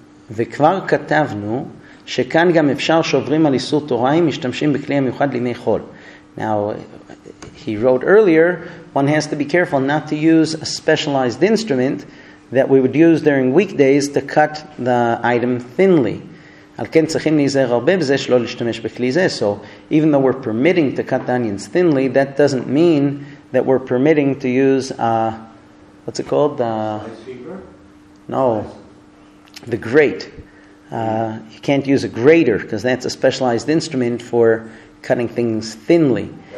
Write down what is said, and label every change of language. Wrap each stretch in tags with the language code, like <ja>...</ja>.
<he>וכבר כתבנו שכאן גם אפשר שוברים על איסור תורה אם משתמשים בכלי המיוחד לימי חול.</he> <en>Now, he wrote earlier, one has to be careful not to use a specialized instrument that we would use during weekdays to cut the item thinly.</en> <he>על כן צריכים להיזהר הרבה בזה שלא להשתמש בכלי זה.</he> <en>So, even though we're permitting to cut the onions thinly, that doesn't mean that we're permitting to use a, what's it called? Ice paper? No. The grate. You can't use a grater because that's a specialized instrument for cutting things thinly.</en>